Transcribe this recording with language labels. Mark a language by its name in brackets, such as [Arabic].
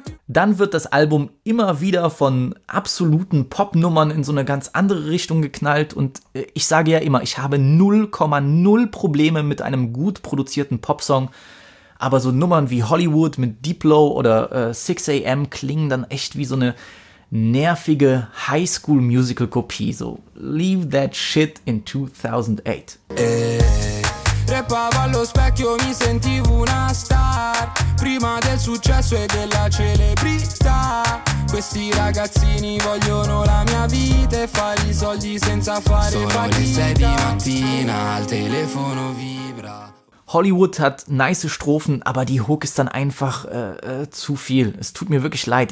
[German] Dann wird das Album immer wieder von absoluten Popnummern in so eine ganz andere Richtung geknallt und ich sage ja immer, ich habe 0,0 Probleme mit einem gut produzierten Popsong, aber so Nummern wie Hollywood mit Diplo oder 6am klingen dann echt wie so eine nervige Highschool-Musical-Kopie, so [English] Leave That Shit in 2008. [Italian] Reppavo allo specchio, mi sentivo una star. Prima del successo e della celebrità. Questi ragazzini vogliono la mia vita e fare i soldi senza fare fatica. Sono le 6 di mattina, al telefono vibra. [German] Hollywood hat nice Strophen, aber die Hook ist dann einfach zu viel. Es tut mir wirklich leid.